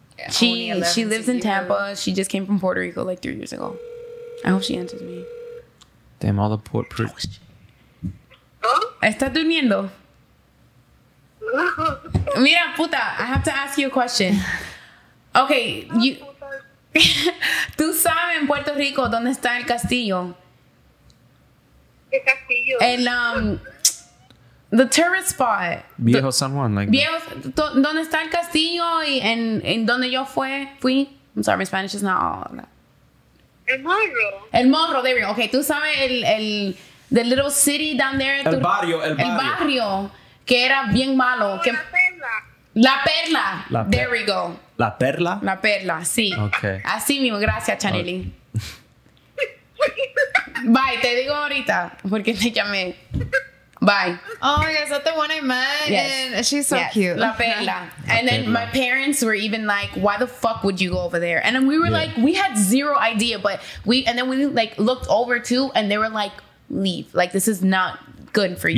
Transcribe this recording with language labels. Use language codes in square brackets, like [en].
[en] She lives in Tampa. She just came from Puerto Rico like 3 years ago. I hope she answers me. Damn, all the poor prick. [es] Está durmiendo. Mira, puta, [en] I have to ask you a question. Okay, you... [es] Tú sabes en Puerto Rico dónde está el castillo. ¿Qué castillo? [en] The tourist spot. [es] Viejo San Juan. Viejo... ¿Dónde está el castillo? Y en donde yo fui... [en] I'm sorry, my Spanish is not all of that. [es] El Morro, [en] there we go. Okay, [es] tú sabes [en] the little city down there. [es] El barrio. Que era bien malo. Oh, que, La Perla. [en] There we go. [es] La Perla, sí. [en] Okay. [es] Así mismo, gracias, Chanelín. Okay. Bye, te digo ahorita, porque te llamé. [en] Bye. Oh, yes, that's the one I met. Yes. And she's so cute. [es] La Perla. [en] And then my parents were even like, why the fuck would you go over there? And then we were like, we had zero idea, but we like looked over too and they were like, leave. Like, this is not good for you.